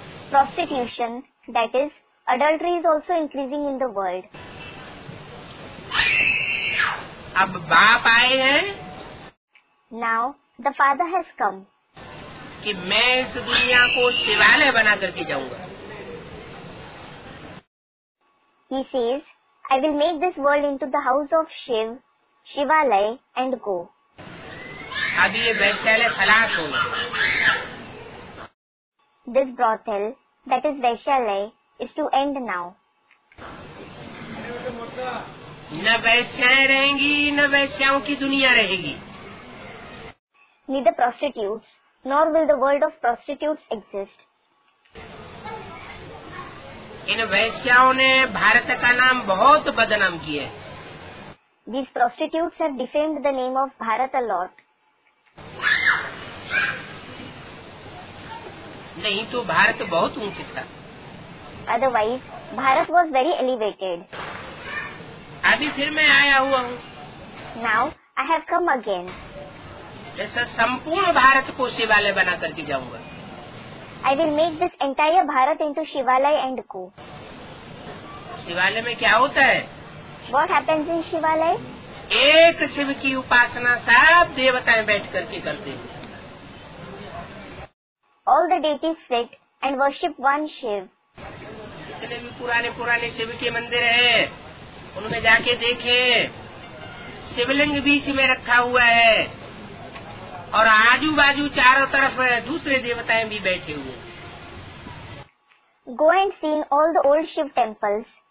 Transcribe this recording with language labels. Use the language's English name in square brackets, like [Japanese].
[English] Prostitution that is adultery is also increasing in the world. [Hindi] अब बाप आए हैं. [English] Now the father has come. [Hindi] कि मैं इस दुनिया को शिवालय बना करके जाऊंगा. [English] He says I will make this world into the house of Shiv, Shivalay, and go. [Hindi] अब ये वैश्याल फलाश होगा. [English] This brothel, that is वैश्यालय, is to end now. [Hindi] न वैश्याएं रहेंगी न वैश्याओं की दुनिया रहेगी. [English] Neither prostitutes, nor will the world of prostitutes exist. [Hindi] इन वैश्याओं ने भारत का नाम बहुत बदनाम किया है. [English] These prostitutes have defamed the name of Bharat a lot. [Hindi] नहीं तो भारत बहुत ऊंचा था. [English] Otherwise Bharat was very elevated. [Hindi] अभी फिर मैं आया हुआ हूँ. [English] Now I have come again. [Hindi] ऐसा संपूर्ण भारत को शिवालय बना करके जाऊंगा. [English] I will make this entire Bharat into Shivalay and go. [Hindi] Shivalay में क्या होता है? [English] What happens in Shivalay? [Hindi] एक शिव की उपासना सब देवताएं बैठ करके करते हैं. [English] All the deities sit and worship one Shiv. [Hindi] जितने भी पुराने पुराने शिव के मंदिर हैं, उनमें जाके देखें, शिवलिंग बीच में रखा हुआ है. और आजू बाजू चारों तरफ दूसरे देवताएं भी बैठे हुए. [English] Go and seen all the old Shiv temples.